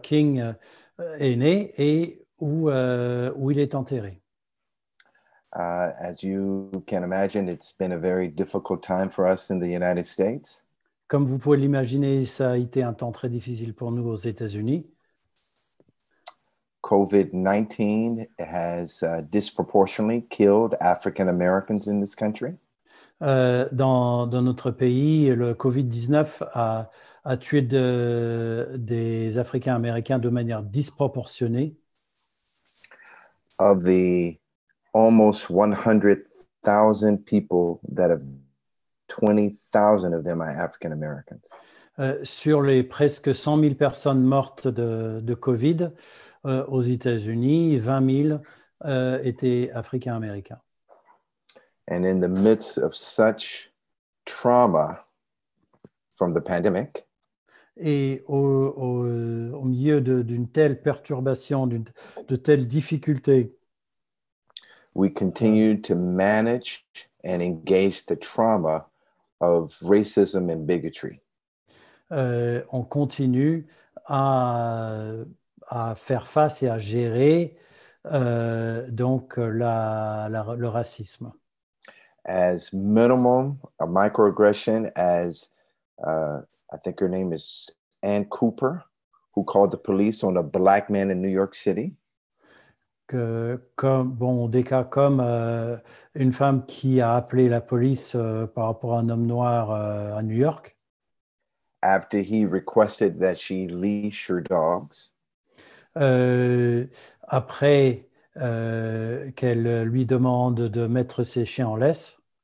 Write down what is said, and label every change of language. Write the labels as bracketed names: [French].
[French] King est né et où il est enterré. [English] As you can imagine, it's been a very difficult time for us in the United States. [French] Comme vous pouvez l'imaginer, ça a été un temps très difficile pour nous aux États-Unis. [English] COVID-19 has disproportionately killed African Americans in this country. [French] Dans notre pays, le COVID-19 a tué des Africains américains de manière disproportionnée. [English] Of the almost 100,000 people that have 20,000 of them are African Americans. [French] Sur les presque 100 000 personnes mortes de COVID aux États-Unis, 20 000 étaient Africains américains. [English] And in the midst of such trauma from the pandemic, [French] et au milieu d'une telle perturbation, de telles difficultés, [English] we continue to manage and engage the trauma of racism and bigotry. [French] On continue à faire face et à gérer donc le racisme. [English] As minimum a microaggression as I think her name is Ann Cooper, who called the police on a black man in New York City. [French] Des cas comme une femme qui a appelé la police par rapport à un homme noir à New York. [English] After he requested that she leash her dogs. [French] Après qu'elle lui demande de mettre ses chiens en laisse.